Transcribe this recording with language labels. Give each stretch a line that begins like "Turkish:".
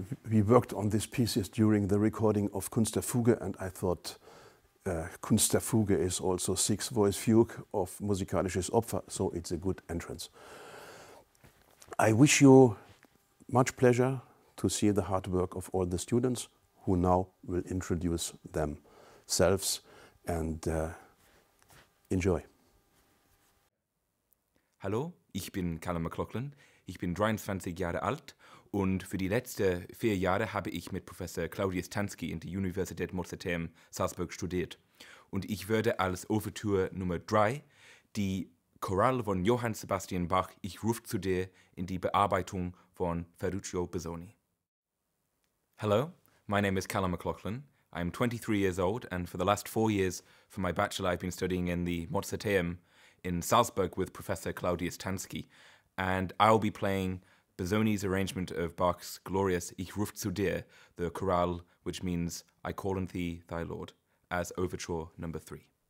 English: We worked on these pieces during the recording of Kunst der Fuge, and I thought Kunst der Fuge is also six-voice fugue of Musikalisches Opfer, so it's a good entrance. I wish you much pleasure to see the hard work of all the students, who now will introduce themselves, and enjoy.
German: Hallo, ich bin Callum McLachlan, ich bin 23 Jahre alt und für die letzten 4 Jahre habe ich mit Professor Claudius Tanski in der Universität Mozarteum Salzburg studiert. Und ich werde als Ouverture Nummer 3 die Choral von Johann Sebastian Bach Ich ruf zu dir in die Bearbeitung von Ferruccio Busoni.
English: Hello, my name is Callum McLachlan. I'm 23 years old and for the last 4 years for my bachelor I've been studying in the Mozarteum in Salzburg with Professor Claudius Tanski, and I'll be playing Busoni's arrangement of Bach's glorious Ich ruf zu dir, the chorale which means I call on thee, thy Lord, as Ouverture number 3.